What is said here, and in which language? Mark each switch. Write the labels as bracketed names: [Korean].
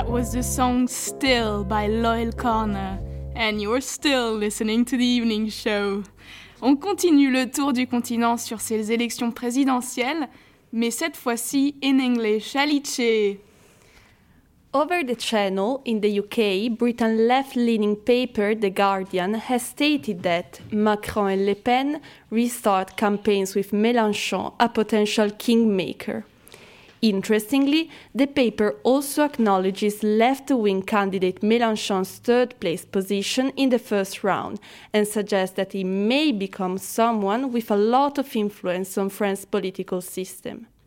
[English] The song Still by Loyal Corner, and you're still listening to the evening show. [French] On continue le tour du continent sur ces élections présidentielles, mais cette fois-ci [English] in English. Alice! Over the channel in the UK, Britain left-leaning paper The Guardian has stated that Macron and Le Pen restart campaigns with Mélenchon, a potential kingmaker. Interestingly, the paper also acknowledges left-wing candidate Mélenchon's third-place position in the first round and suggests that he may become someone with a lot of influence on France's political system.